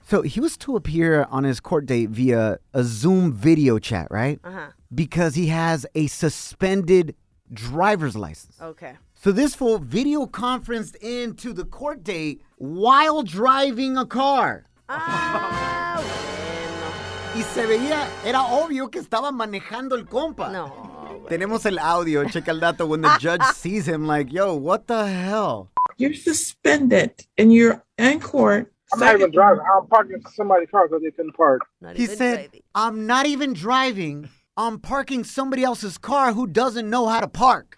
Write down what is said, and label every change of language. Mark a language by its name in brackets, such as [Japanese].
[English] So he was to appear on his court date via a Zoom video chat, right? Uh-huh. Because he has a suspended driver's license. Okay. So this fool video conferenced into the court date while driving a car. Ah, [Spanish] bueno. Y se veía, era obvio que estaba manejando el compa. No. Tenemos el audio, checa el dato, [English] when the judge sees him like, yo, what the hell? You're suspended and you're in court. I'm not even driving. I'm parking somebody's car because they couldn't park. He said, I'm not even driving. I'm parking somebody else's car who doesn't know how to park.